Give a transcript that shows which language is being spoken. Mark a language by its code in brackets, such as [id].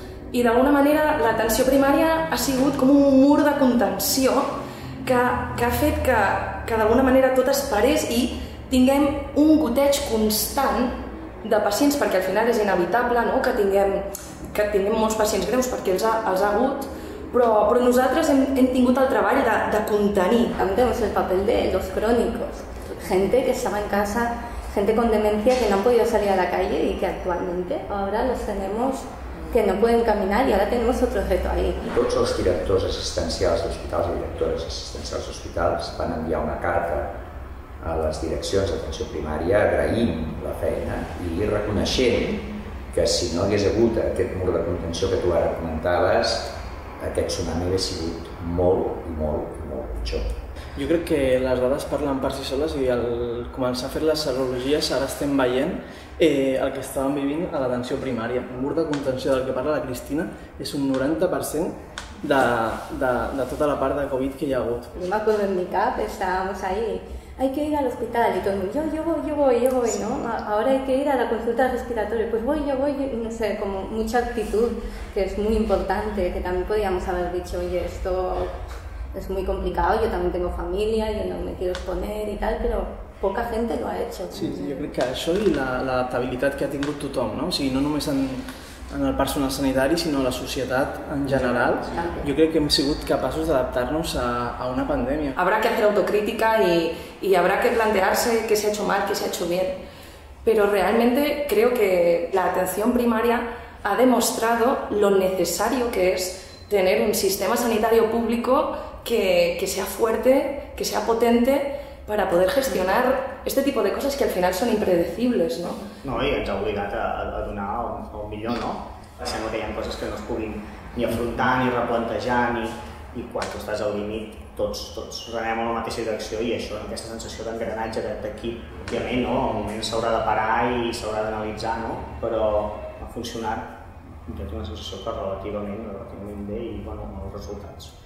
[ca] I d'alguna manera l'atenció primària ha sigut com un mur de contenció que ha fet que d'alguna manera tot es parés i tinguem un goteig constant de pacients, perquè al final és inevitable, no?, que tinguem molts pacients greus perquè els ha hagut, però nosaltres hem tingut el treball de contenir. També tenim el paper de [es] los crónicos, gente que estaba en casa, gente con demencia que no han podido salir a la calle y que actualmente ahora los tenemos que no pueden caminar y ahora tenemos otro reto ahí. [ca] Tots els directors assistencials d'hospitals i directores assistencials d'hospitals van enviar una carta a les direccions d'atenció primària agraint la feina i reconeixent que si no hagués hagut aquest mur de contenció que tu ara comentaves, aquest tsunami hauria sigut molt, molt, molt pitjor. Jo crec que les dades parlen per si soles i al començar a fer les serologies ara estem veient el que estàvem vivint a l'atenció primària. El mur de contenció del que parla la Cristina és un 90% de tota la part de Covid que hi ha hagut. Jo m'acordo [es] en mi cap, estàvamos ahí, hay que ir al hospital y todo el mundo, yo voy, sí. ¿No? Ahora hay que ir a la consulta respiratoria, pues voy, yo voy, no sé, como mucha actitud, que es muy importante, que también podríamos haber dicho, oye, esto es muy complicado, yo también tengo familia, yo no me quiero exponer y tal, pero poca gente lo ha hecho. Sí, yo creo que eso y la adaptabilidad que [ca] ha tingut tothom, ¿no? O sigui, no només en el personal sanitari, sinó a la societat en general. Sí, sí. Jo crec que hem sigut capaços d'adaptar-nos a una pandèmia. [es] Habrá que hacer autocrítica y habrá que plantearse qué se ha hecho mal, qué se ha hecho bien. Pero realmente creo que la atención primaria ha demostrado lo necesario que es tener un sistema sanitario público que sea fuerte, que sea potente, para poder gestionar este tipo de cosas que al final son impredecibles, ¿no? [ca] No, i ens ha obligat a donar el millor, no? Sembla que hi ha coses que no es puguin ni afrontar, ni replantejar, i quan tu estàs al límit, tots anem a la mateixa direcció, i això, aquesta sensació d'engranatge d'equip, òbviament, no? Al moment s'haurà de parar i s'haurà d'analitzar, no? Però ha funcionat, jo tinc la sensació que relativament bé, i bueno, els resultats.